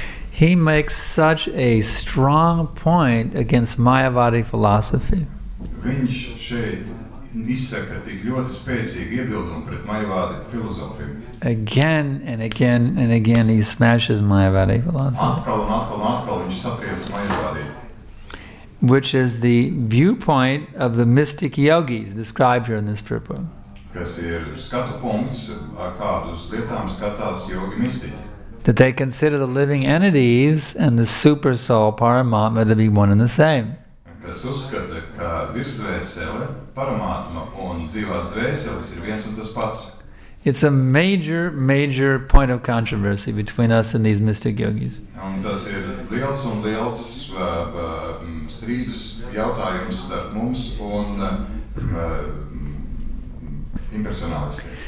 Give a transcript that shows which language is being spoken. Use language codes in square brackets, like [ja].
[en] He makes such a strong point against Mayavadi philosophy. [lv] Viņš šeit izsaka tik ļoti spēcīgi iebildumu pret Mayavadi filozofiju. [en] Again and again and again he smashes Mayavadi philosophy. [lv] Atkal un atkal un atkal viņš satriec Mayavadi. [en] Which is the viewpoint of the mystic yogis described here in this purport. [lv] Kas ir skatu punkts, ar kādus lietām skatās yogi mistiķi. [en] That they consider the living entities and the super soul paramatma to be one and the same. [lv] Kas uzskata, ka virsdvēsele, paramātma un dzīvās dvēseles ir viens un tas pats. [en] It's a major, major point of controversy between us and these mystic yogis. [lv] Un tas ir liels un liels strīdus jautājums starp mums un impersonalisti.